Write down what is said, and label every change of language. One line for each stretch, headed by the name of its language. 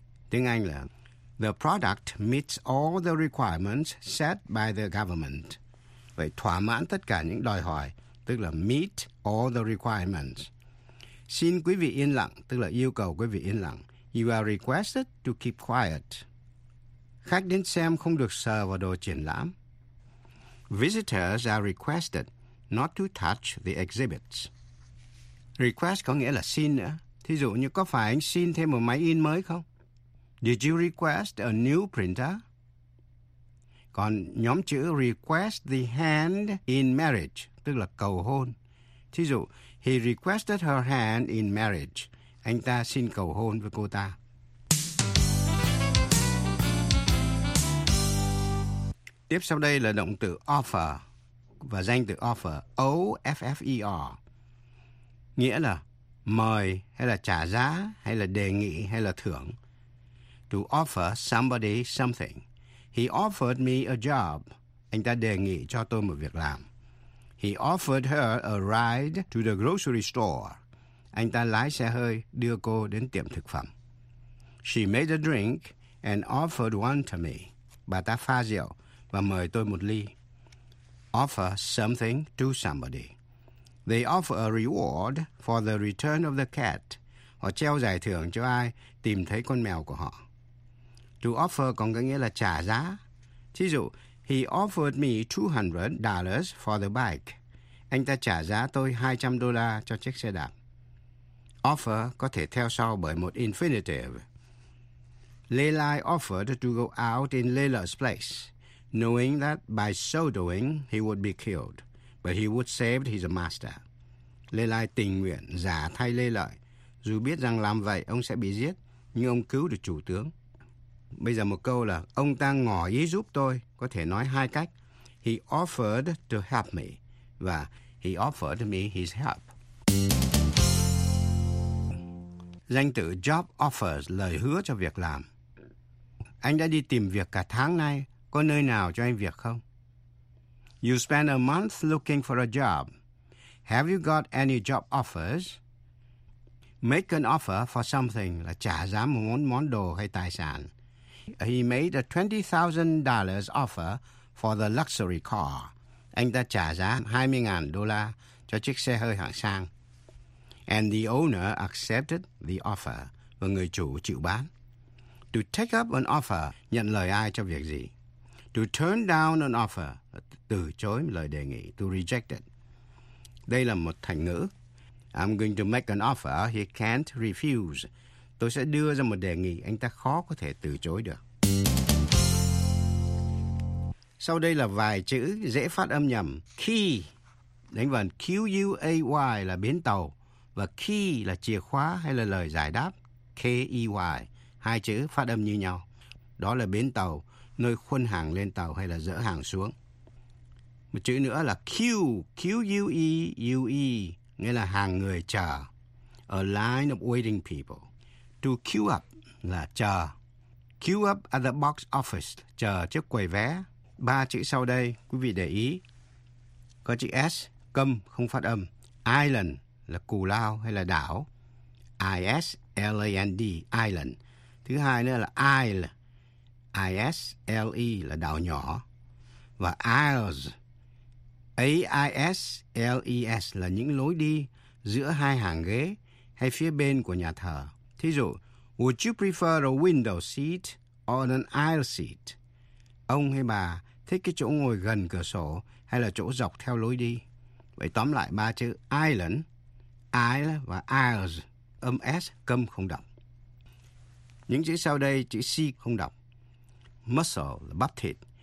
Vietnamese: Tiếng Anh là
English: The product meets all the requirements set by the government.
Vietnamese: phải thỏa mãn tất cả những đòi hỏi, tức là
English: meet all the requirements.
Vietnamese: Xin quý vị yên lặng, tức là yêu cầu quý vị yên lặng.
English: You are requested to keep quiet.
Vietnamese: Khách đến xem không được sờ vào đồ triển lãm.
English: Visitors are requested not to touch the exhibits.
Vietnamese: Request có nghĩa là xin nữa. Thí dụ như có phải anh xin thêm một máy in mới không?
English: Did you request a new printer?
Vietnamese: Còn nhóm chữ
English: request the hand in marriage,
Vietnamese: tức là cầu hôn. Thí dụ,
English: he requested her hand in marriage.
Vietnamese: Anh ta xin cầu hôn với cô ta. Tiếp sau đây là động từ offer và danh từ offer, O-F-F-E-R. Nghĩa là mời hay là trả giá hay là đề nghị hay là thưởng.
English: To offer somebody something. He offered me a job.
Vietnamese: Anh ta đề nghị cho tôi một việc làm.
English: He offered her a ride to the grocery store.
Vietnamese: Anh ta lái xe hơi đưa cô đến tiệm thực phẩm.
English: She made a drink and offered one to me.
Vietnamese: Bà ta pha rượu và mời tôi một ly.
English: Offer something to somebody. They offer a reward for the return of the cat.
Vietnamese: Họ treo giải thưởng cho ai tìm thấy con mèo của họ. To offer còn có nghĩa là trả giá. Thí dụ,
English: he offered me $200 for the bike.
Vietnamese: Anh ta trả giá tôi $200 cho chiếc xe đạp. Offer có thể theo sau bởi một infinitive.
English: Lelai offered to go out in Lela's place, knowing that by so doing he would be killed, but he would save his master.
Vietnamese: Lelai tình nguyện giả thay Lê Lợi, dù biết rằng làm vậy ông sẽ bị giết, nhưng ông cứu được chủ tướng. Bây giờ một câu là ông ta ngỏ ý giúp tôi, có thể nói hai cách.
English: He offered to help me và he offered me his help.
Vietnamese: Danh từ job offers, lời hứa cho việc làm. Anh đã đi tìm việc cả tháng nay, có nơi nào cho anh việc không?
English: You spent a month looking for a job. Have you got any job offers?
Vietnamese: Make an offer for something là trả giá một món đồ hay tài sản.
English: He made a $20,000 offer for the luxury car.
Vietnamese: Anh ta trả giá $20,000 cho chiếc xe hơi hạng sang.
English: And the owner accepted the offer.
Vietnamese: Và người chủ chịu bán.
English: To take up an offer,
Vietnamese: nhận lời ai cho việc gì?
English: To turn down an offer,
Vietnamese: từ chối lời đề nghị.
English: To reject it.
Vietnamese: Đây là một thành ngữ.
English: I'm going to make an offer he can't refuse.
Vietnamese: Tôi sẽ đưa ra một đề nghị anh ta khó có thể từ chối được. Sau đây là vài chữ dễ phát âm nhầm. Key, đánh vần Q-U-A-Y là bến tàu. Và key là chìa khóa hay là lời giải đáp. K-E-Y, hai chữ phát âm như nhau. Đó là bến tàu, nơi khuân hàng lên tàu hay là dỡ hàng xuống. Một chữ nữa là Q-U-E-U-E, nghĩa là hàng người chờ.
English: A line of waiting people. To queue up là chờ. Queue up at the box office,
Vietnamese: chờ trước quầy vé. Ba chữ sau đây, quý vị để ý. Có chữ S, câm, không phát âm. Island là cù lao hay là đảo. I-S-L-A-N-D, island. Thứ hai nữa là isle. I-S-L-E là đảo nhỏ. Và aisles. A-I-S-L-E-S là những lối đi giữa hai hàng ghế hay phía bên của nhà thờ. Thí dụ,
English: would you prefer a window seat or an aisle seat?
Vietnamese: Ông hay bà thích cái chỗ ngồi gần cửa sổ hay là chỗ dọc theo lối đi? Vậy tóm lại ba chữ island, aisle và aisles, âm S câm không đọc. Những chữ sau đây, chữ C không đọc. Muscle là bắp thịt.